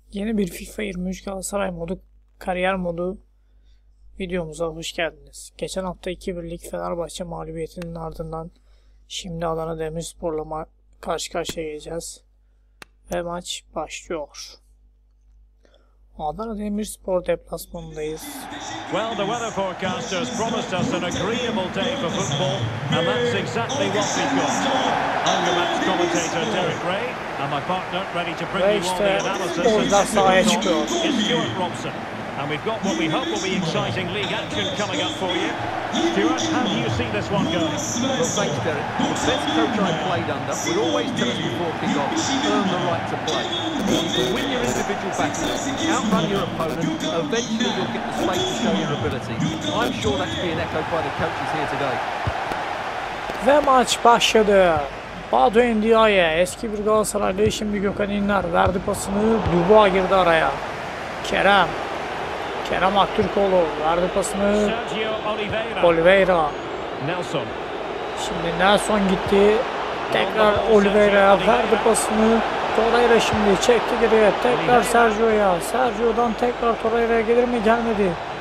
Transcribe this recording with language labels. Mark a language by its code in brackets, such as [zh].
[tr] Yeni bir FIFA 23 Galatasaray modu, kariyer modu videomuza hoş geldiniz. Geçen hafta 2-1'lik Fenerbahçe mağlubiyetinin ardından şimdi Adana Demirspor'la karşı karşıya geleceğiz. Ve maç başlıyor. Adana Demirspor deplasmanındayız. [en] Well, the weather forecasters promised us an agreeable day for football, and that's exactly what we got. On the match commentator Derek Ray and my partner ready to bring you all the analysis and discussion is Stuart Robson. And we've got what we hope will be exciting league action coming up for you. Stuart, how do you see this one going? Well, thanks, Derek. The best coach I've played under would always tell us before kick-off, earn the right to play. To win your individual battles, outrun your opponent, eventually you'll get the space to show your ability. I'm sure that's being echoed by the coaches here today. [tr] Ve maç başladı. Badou Ndiaye, eski bir Galatasaraylı, şimdi Gökhan İnler verdi pasını, Dubois girdi araya. Kerem Aktürkoğlu verdi pasını, Oliveira. Nelson. Şimdi Nelson gitti, tekrar Oliveira'ya verdi pasını, Torreira şimdi çekti geriye, tekrar Sergio'ya, Sergio'dan tekrar Torreira'ya gelir mi, gelmedi.